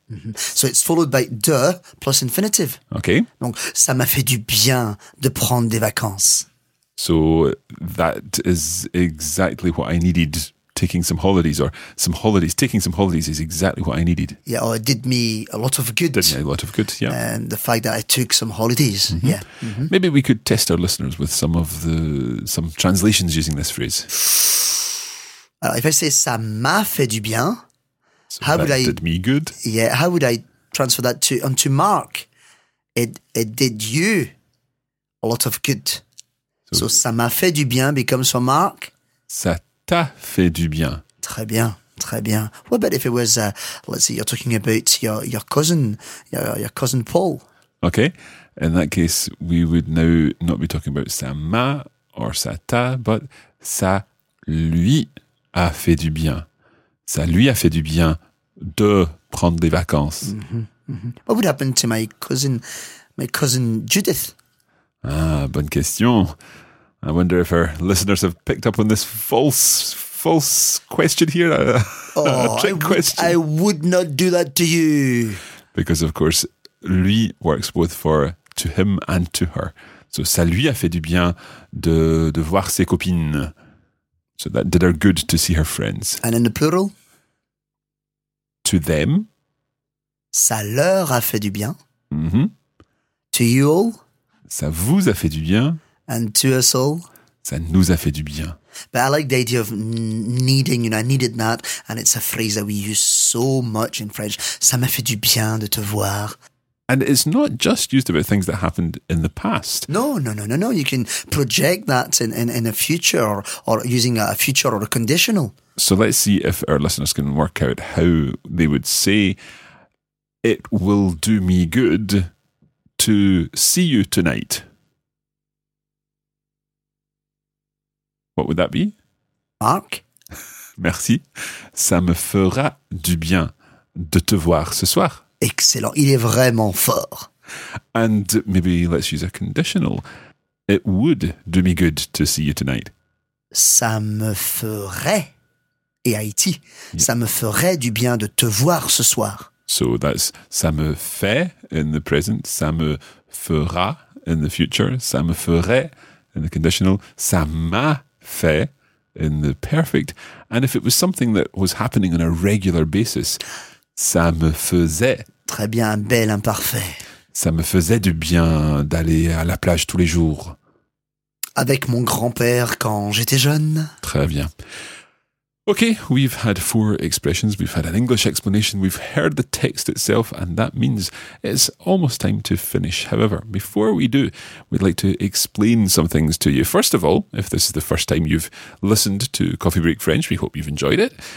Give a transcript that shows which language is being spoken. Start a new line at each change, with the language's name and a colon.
English: Mm-hmm. So it's followed by de plus infinitive. Okay.
French: Donc, ça m'a fait du bien de prendre des vacances.
English: So that is exactly what I needed, taking some holidays or some holidays. Taking some holidays is exactly what I needed. Yeah, or it did me a lot of good. Did me a lot of good, yeah. And the fact that I took some holidays, mm-hmm. yeah. Mm-hmm. Maybe we could test our listeners with some translations using this phrase.
French: Alors,
English: if I say
French: ça m'a fait du bien...
English: So how would I did me good? Yeah, how would I transfer that to onto Mark? It did you a lot of good. So
French: ça m'a fait du bien
English: becomes for Mark.
French: Ça t'a fait du bien. Très bien, très bien.
English: What about if it was let's say you're talking about your cousin Paul. Okay. In that case, we would now not be talking about
French: ça m'a
English: or
French: ça t'a,
English: but
French: ça lui a fait du bien. Ça lui a fait du bien de prendre des vacances. Mm-hmm, mm-hmm.
English: What would happen to my cousin Judith?
French: Ah, bonne question.
English: I wonder if our listeners have picked up on this false question here. Oh, I would not do that to you. Because, of course, lui works both for to him and to her.
French: So, ça lui a fait du bien de voir ses copines.
English: So, that did her good to see her friends. And in the plural? To them.
French: Ça leur a fait du bien. Mm-hmm.
English: To you all.
French: Ça vous a fait du bien.
English: And to us all.
French: Ça nous a fait du bien.
English: But I like the idea of needing, you know, I needed that. And it's a phrase that we use so much in French.
French: Ça m'a fait du bien de te voir.
English: And it's not just used about things that happened in the past. No. You can project that in a future or using a future or a conditional. So let's see if our listeners can work out how they would say, it will do me good to see you tonight. What would that be? Mark.
French: Merci. Ça me fera du bien de te voir ce soir. Excellent. Il est vraiment fort.
English: And maybe let's use a conditional. It would do me good to see you tonight.
French: Ça me ferait. Et Haïti, yeah. Ça me ferait du bien de te voir ce soir.
English: So that's
French: ça me fait
English: in the present,
French: ça me fera
English: in the future,
French: ça me ferait
English: in the conditional,
French: ça m'a fait
English: in the perfect. And if it was something that was happening on a regular basis,
French: ça me faisait. Très bien, un bel imparfait. Ça me faisait du bien d'aller à la plage tous les jours. Avec mon grand-père quand j'étais jeune. Très bien.
English: Okay, we've had four expressions, we've had an English explanation, we've heard the text itself, and that means it's almost time to finish. However, before we do, we'd like to explain some things to you. First of all, if this is the first time you've listened to Coffee Break French, we hope you've enjoyed it.